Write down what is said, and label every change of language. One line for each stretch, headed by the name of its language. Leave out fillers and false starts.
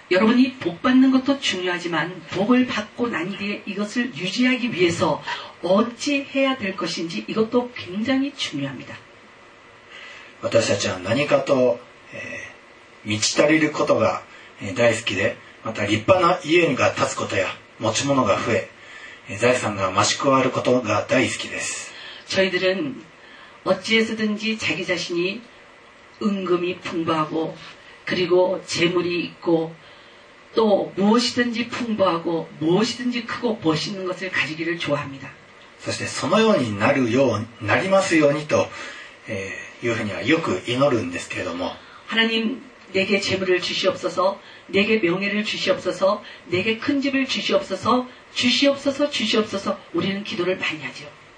Korean: 여러분이복받는것도중요하지만복을받고난뒤에이것을유지하기위해서어찌해야될것인지이것도굉장히중요합니다
Japanese: 私たちは何かと満ち足りることが大好きでまた立派な家が建つことや持ち物が増え財産が増し加わることが大好きです
Korean: 저희들은어찌해서든지자기자신이은금이풍부하고그리고재물이있고또무엇이든지풍부하고무엇이든지크고멋있는것을가지기를좋아합니다
Japanese: そしてそのようになるようになりますようにと、いうふうにはよく祈るんですけれども
Korean: 하나님내게재물을주시옵소서내게명예를주시옵소서내게큰집을주시옵소서주시옵소서주시옵소서우리는기도를많이하죠